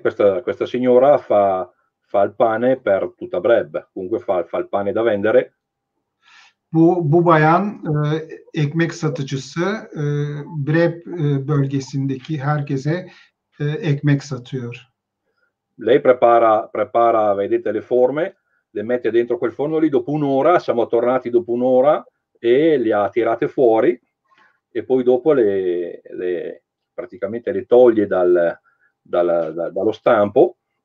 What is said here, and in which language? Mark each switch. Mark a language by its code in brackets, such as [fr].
[it] Questa signora fa il pane per tutta Breb, comunque fa il pane da vendere. [tr] Bu bayan ekmek satıcısı, Breb bölgesindeki herkese ekmek satıyor. [it] Lei prepara, vedete le forme, le mette dentro quel forno lì dopo un'ora, siamo tornati dopo un'ora e le ha tirate fuori e poi dopo le praticamente le toglie dallo stampo.